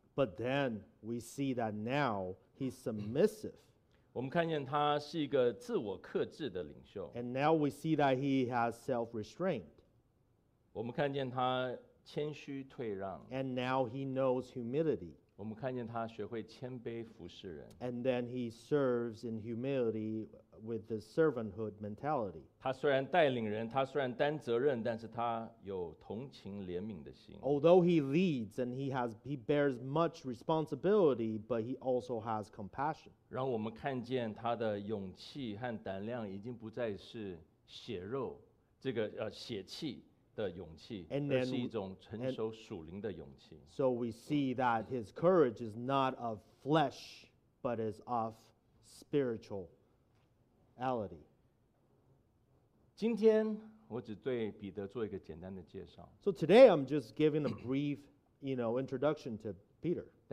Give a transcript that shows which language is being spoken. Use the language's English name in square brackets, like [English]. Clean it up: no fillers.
[English] but then we see that now he's submissive. [Chinese] 我们看见他是一个自我克制的领袖, [English] and now we see that he has self-restraint. [Chinese] 我们看见他谦虚退让, [English] and now he knows humility. And then he serves in humility with the servanthood mentality. [Chinese] 他虽然带领人，他虽然担责任，但是他有同情怜悯的心。 [English] Although he leads and he bears much responsibility, but he also has compassion. [Chinese] 让我们看见他的勇气和胆量已经不再是血肉，这个血气。而是一种成熟属灵的勇气。 [English] So we see that his courage is not of flesh, but is of spirituality. [Chinese] 今天我只对彼得做一个简单的介绍。 [English] So today I'm just giving a brief, introduction to Peter.